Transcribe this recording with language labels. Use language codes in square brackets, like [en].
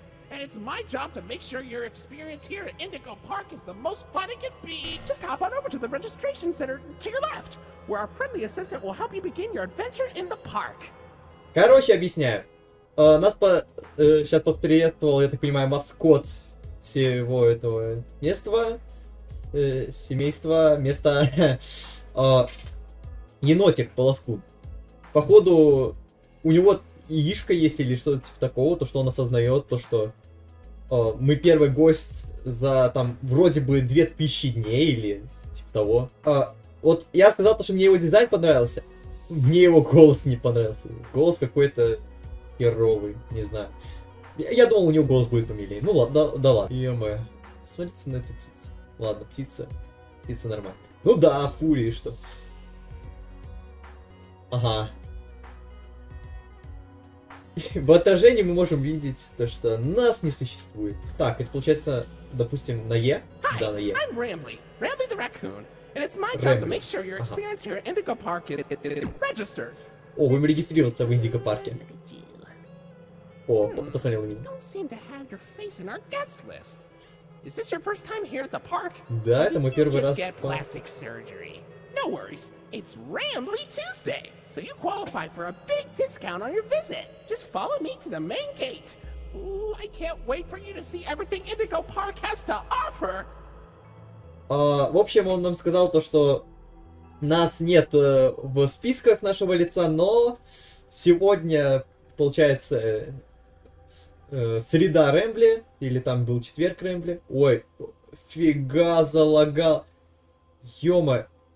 [en] And it's my job to make sure your experience here at Indigo Park is the most fun it can be. Just hop on over to the registration center to your left, where our friendly assistant will help you begin your adventure in the park. [ru] Короче, объясняю. Нас по... сейчас подприветствовал, я так понимаю, маскот всего этого места. Семейства, места... енотик по лоску. Походу, у него яичко есть или что-то типа такого, то, что он осознает, то, что... мы первый гость за, там, вроде бы 2000 дней или типа того. Вот я сказал, что мне его дизайн понравился, мне его голос не понравился. Голос какой-то херовый, не знаю. Я думал, у него голос будет помилее. Ну ладно, да ладно. Е-мое. Смотрите на эту птицу. Ладно, птица. Птица нормальная. Ну да, фурии что. Ага. В отражении мы можем видеть то, что нас не существует. Так, это получается, допустим, на Е. [en] Hi, [ru] да, на Е. [en] I'm Rambly. Rambly the raccoon. And it's my job to make sure your experience here at Indigo Park is registered. [ru] О, будем регистрироваться в Индиго Парке. О, посмотрел на меня. [en] Don't seem to have your face in our guest list. Is this your first time here at the park? [ru] Да, это мой первый раз. [en] Just get plastic surgery. No worries. It's Rambly Tuesday, so you qualify for a big discount on your visit. Just follow me to the main gate. Ooh, I can't wait for you to see everything Indigo Park has to offer. [ru] В общем, он нам сказал то, что нас нет в списках нашего лица, но сегодня, получается, среда Рэмбли, или там был четверг Рэмбли. Ой, фига залагал. Ё-моё.